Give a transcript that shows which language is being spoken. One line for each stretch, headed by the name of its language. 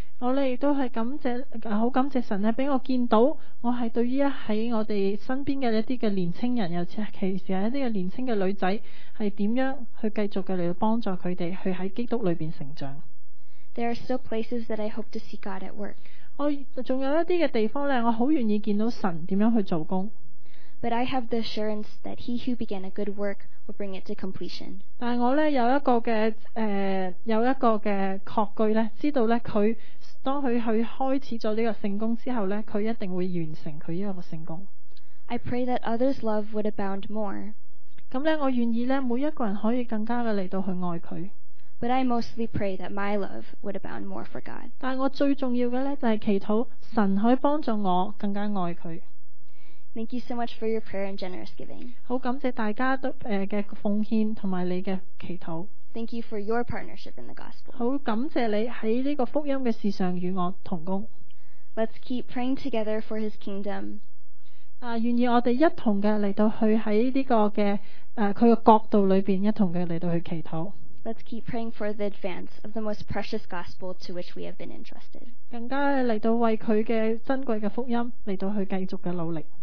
Cantonese: 我咧亦都系好感谢神咧，俾我见到我系对于喺我哋身边嘅一啲嘅年青人，尤其是系一啲嘅年青嘅女仔，系点样去继续嘅嚟帮助佢哋去喺基督里边成长。
English: There are still places that I hope to see God at work.
Cantonese: 我仲有一啲嘅地方咧，我好愿意见到神点样去做工。
English: But I have the assurance that He who began a good work. Will bring it to completion.
Cantonese: 但我咧有一个嘅有一个嘅确据咧，知道咧佢当佢去开始咗呢个圣工之后咧，佢一定会完成佢呢个圣工。
English: I pray that others' love would abound more.
Cantonese: 咁咧，我愿意咧每一个人可以更加嘅嚟到去爱佢。
English: But I mostly pray that my love would abound more for God.
Cantonese: 但我最重要嘅咧就系祈祷神可以帮助我更加爱佢。
English: Thank you so much for your prayer and generous giving.
Cantonese: 好感謝大家都嘅奉獻同埋你嘅祈禱。
English: Thank you for your partnership in the gospel.
Cantonese: 好感謝你喺呢個福音嘅事上與我同工。
English: Let's keep praying together for His kingdom.
Cantonese: 願意我哋一同嘅嚟到去喺呢個嘅佢嘅國度裏邊一同嘅嚟到去祈禱。
English: Let's keep praying for the advance of the most precious gospel to which we have been entrusted.
Cantonese: 更加嚟到為佢嘅珍貴嘅福音嚟到去繼續嘅努力。